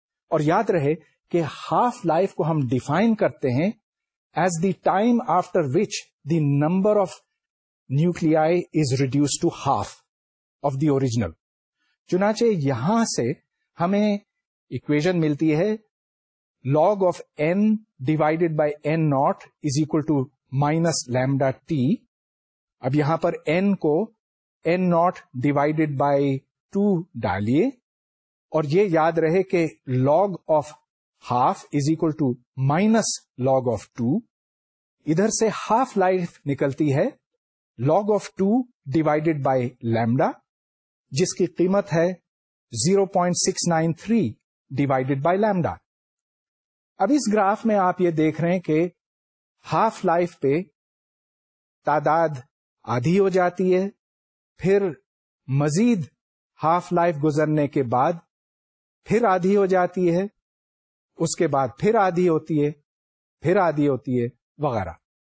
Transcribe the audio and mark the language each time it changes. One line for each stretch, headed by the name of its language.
Urdu: اور یاد رہے کہ ہاف لائف کو ہم ڈیفائن کرتے ہیں
English: As the time after which the number of nuclei is reduce to half of the original.
Urdu: چنانچہ یہاں سے ہمیں equation ملتی ہے
English: log of n divided by n naught is equal to minus lambda t.
Urdu: اب یہاں پر n کو n naught divided by 2 ڈالیے اور یہ یاد رہے کہ
English: log of half is equal to minus log of 2.
Urdu: ادھر سے half life نکلتی ہے
English: log of 2 divided by lambda
Urdu: جس کی قیمت ہے 0.693 divided by lambda. اب اس گراف میں آپ یہ دیکھ رہے ہیں کہ half life پہ تعداد آدھی ہو جاتی ہے, پھر مزید half life گزرنے کے بعد پھر آدھی ہو جاتی ہے, اس کے بعد پھر آدھی ہوتی ہے, پھر آدھی ہوتی ہے وغیرہ.